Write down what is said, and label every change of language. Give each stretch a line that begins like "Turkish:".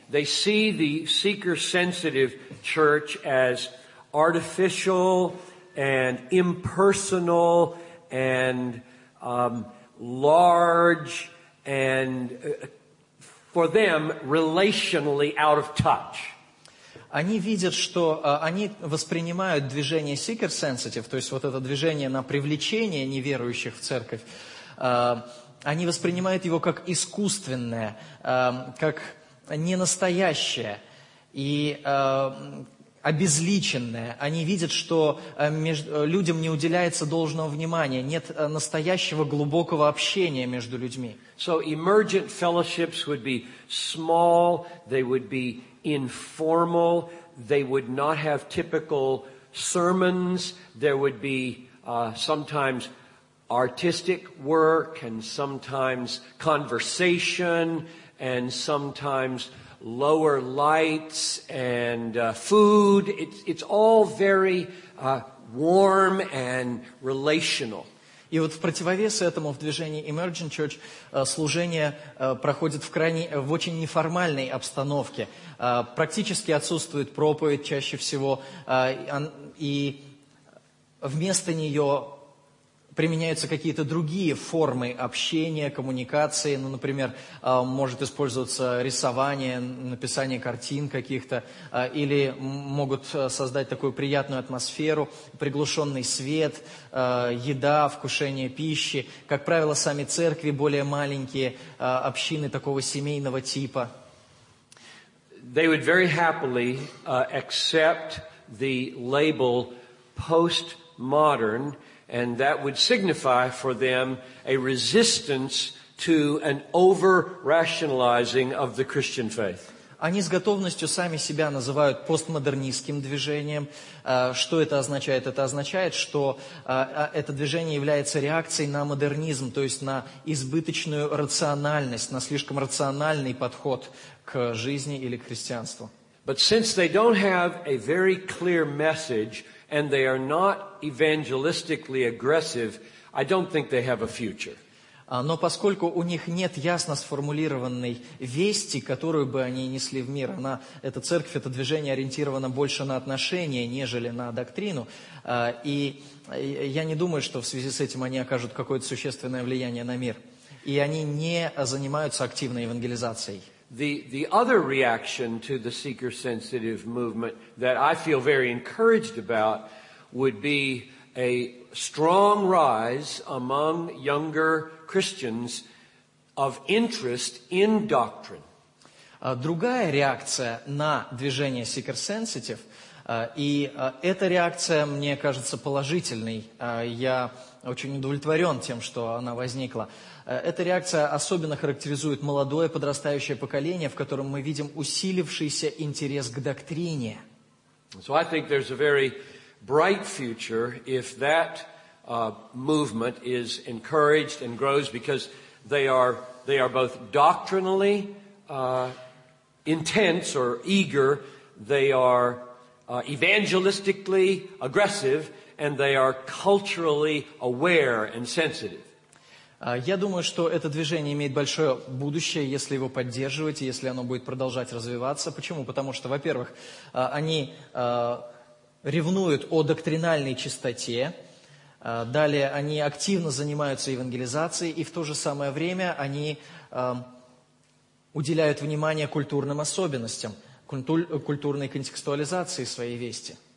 English: They see the seeker-sensitive church as artificial and impersonal and large and, for them, relationally out of touch.
Russian: Они видят, что они воспринимают движение seeker-sensitive, то есть вот это движение на привлечение неверующих в церковь, они воспринимают его как искусственное, как ненастоящее и обезличенное. Они видят, что людям не уделяется должного внимания, нет настоящего глубокого общения между людьми.
English: So emergent fellowships would be small, they would be informal, they would not have typical sermons, there would be sometimes artistic work and sometimes conversation and sometimes lower lights and food. It's all very warm and relational.
Russian: И вот в противовес этому в движении Emergent Church служение проходит в очень неформальной обстановке. Практически отсутствует проповедь чаще всего, и вместо нее применяются какие-то другие формы общения, коммуникации. Ну, например, может использоваться рисование, написание картин каких-то, или могут создать такую приятную атмосферу, приглушенный свет, еда, вкушение пищи. Как правило, сами церкви более маленькие, общины такого семейного типа.
English: They would very happily accept the label postmodern. And that would signify for them a resistance to an over-rationalizing of the Christian faith.
Russian: Они с готовностью сами себя называют постмодернистским движением. Что это означает? Это означает, что это движение является реакцией на модернизм, то есть на избыточную рациональность, на слишком рациональный подход к жизни или к христианству.
English: But since they don't have a very clear message, and they are not evangelistically aggressive, I don't think they have a future.
Russian: Но поскольку у них нет ясно сформулированной вести, которую бы они несли в мир, эта церковь, это движение ориентировано больше на отношения, нежели на доктрину, и я не думаю, что в связи с этим они окажут какое-то существенное влияние на мир. И они не занимаются активной евангелизацией.
English: The other reaction to the seeker-sensitive movement that I feel very encouraged about would be a strong rise among younger Christians of interest in doctrine.
Russian: Другая реакция на движение seeker-sensitive, и эта реакция, мне кажется, положительной. Я очень удовлетворен тем, что она возникла. Эта реакция особенно характеризует молодое подрастающее поколение, в котором мы видим усилившийся интерес к доктрине.
English: So I think there's a very bright future if that movement is encouraged and grows, because they are both doctrinally intense or eager, they are evangelistically aggressive, and they are culturally aware and sensitive.
Russian: Я думаю, что это движение имеет большое будущее, если его поддерживать, если оно будет продолжать развиваться. Почему? Потому что, во-первых, они ревнуют о доктринальной чистоте. Далее, они активно занимаются евангелизацией, и в то же самое время они уделяют внимание культурным особенностям, культурной контекстуализации своей вести.